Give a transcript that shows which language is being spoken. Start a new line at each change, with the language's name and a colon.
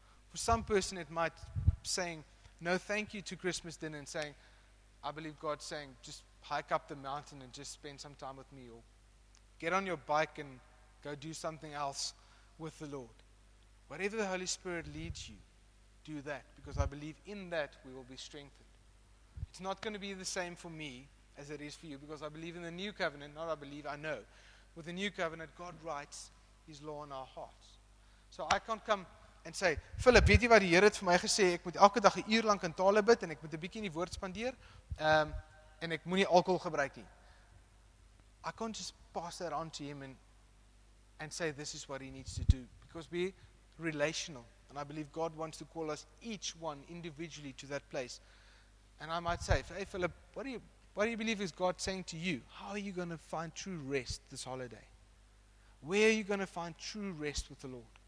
English: For some person, it might be saying no thank you to Christmas dinner and saying, I believe God's saying, just hike up the mountain and just spend some time with me, or get on your bike and go do something else with the Lord. Whatever the Holy Spirit leads you, do that, because I believe in that we will be strengthened. It's not going to be the same for me as it is for you, because I believe in the new covenant, not I believe, I know. With the new covenant, God writes His law in our hearts. So I can't come and say,
Afrikaans: Philip, weet jy wat die Here het vir my gesê, ek moet elke dag 'n uur lank in tale bid en ek moet 'n bietjie in die woord spandeer, en ek moenie alkohol gebruik nie.
English: I can't just pass that on to him and say this is what he needs to do, because we're relational, and I believe God wants to call us each one individually to that place. And I might say, hey Philip, what do you believe is God saying to you? How are you going to find true rest this holiday? Where are you going to find true rest with the Lord?